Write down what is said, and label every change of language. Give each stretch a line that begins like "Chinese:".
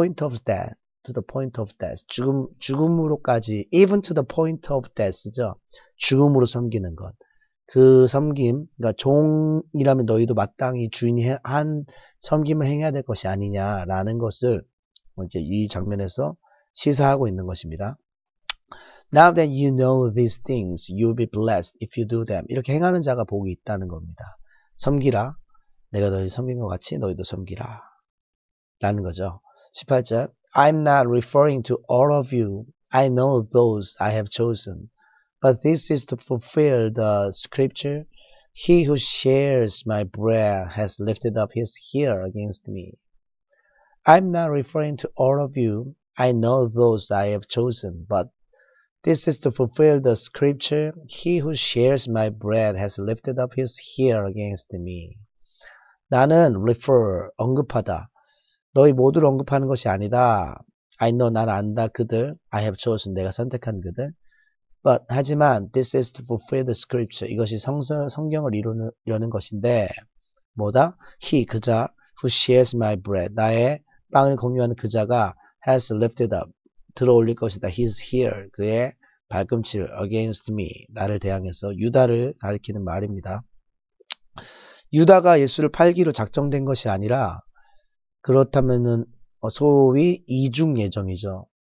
English: To the point of death.
Korean: 죽음으로까지,
English: even to the point of death죠.
Korean: 죽음으로 섬기는 것. 그 섬김, 그러니까 종이라면 너희도 마땅히 주인이 한 섬김을 행해야 될 것이 아니냐라는 것을 이제 이 장면에서 시사하고 있는 것입니다.
English: Now that you know these things, you'll be blessed if you do them.
Korean: 이렇게 행하는 자가 복이 있다는 겁니다. 섬기라. 내가 너희 섬긴 것 같이 너희도 섬기라. 라는 거죠. 18절.
English: I'm not referring to all of you. I know those I have chosen. But this is to fulfill the scripture. He who shares my bread has lifted up his heel against me. I'm not referring to all of you. I know those I have chosen. But this is to fulfill the scripture. He who shares my bread has lifted up his heel against me.
Korean: 나는 refer, 언급하다. 너희 모두를 언급하는 것이 아니다.
English: I know,
Korean: 난 안다, 그들.
English: I have chosen,
Korean: 내가 선택한 그들.
English: But,
Korean: 하지만,
English: this is to fulfill the scripture.
Korean: 이것이 성경을 이루려는 것인데, 뭐다? He, 그자,
English: who shares my bread.
Korean: 나의 빵을 공유하는 그자가
English: has lifted up.
Korean: 들어 올릴 것이다.
English: He's here.
Korean: 그의 발꿈치를
English: against me.
Korean: 나를 대항해서 유다를 가리키는 말입니다. 유다가 예수를 팔기로 작정된 것이 아니라, 그렇다면은 소위 이중 예정이죠.